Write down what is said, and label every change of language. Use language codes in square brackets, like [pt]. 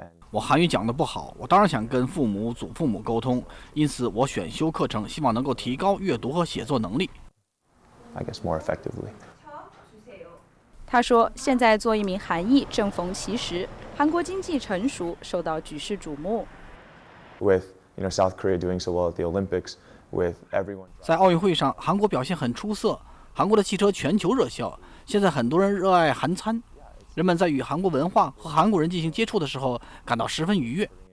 [zh] 我韩语讲得不好，我当然想跟父母、祖父母沟通，因此我选修课程希望能够提高阅读和写作能力。 [en] I guess more effectively. [zh] 他说，现在做一名韩裔正逢其时，韩国经济成熟，受到举世瞩目。 [en] With, you know, South Korea doing so well at the Olympics, with everyone. [zh] 在奥运会上，韩国表现很出色，韩国的汽车全球热销，现在很多人热爱韩餐。人们在与韩国文化和韩国人进行接触的时候感到十分愉悦。